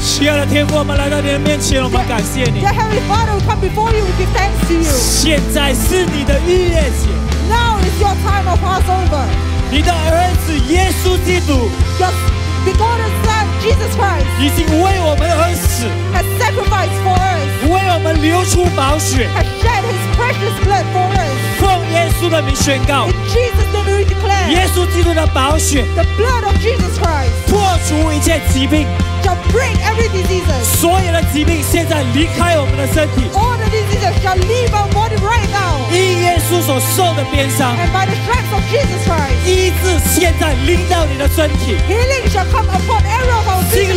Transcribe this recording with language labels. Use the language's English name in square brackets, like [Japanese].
[Chinese] 亲爱的天父，我们来到你的面前，我们感谢你。 [English] Dear Heavenly Father, we come before you, we give thanks to you. [Chinese] 现在是你的逾越节。 [English] Now is your time of Passover. [Chinese] 你的儿子耶稣基督。 [English] The begotten Son, Jesus Christ, [Chinese] 已经为我们而死 [English] has sacrificed for us, [Chinese] 为我们流出宝血 [English] has shed his precious blood for us. [Chinese] 奉耶稣的名宣告 [English] in Jesus' name we declare, [Chinese] 耶稣基督的宝血 [English] the blood of Jesus Christ, [Chinese] 破除一切疾病 [English] shall break every disease. [Chinese] 所有的疾病现在离开我们的身体 [English] all the diseases shall leave our body right now. [Chinese] 因耶稣所受的鞭伤 [English] and by the stripes of Jesus Christ, [Chinese] 医治现在临到你的身体 [English] Healing shall come upon every of our physical body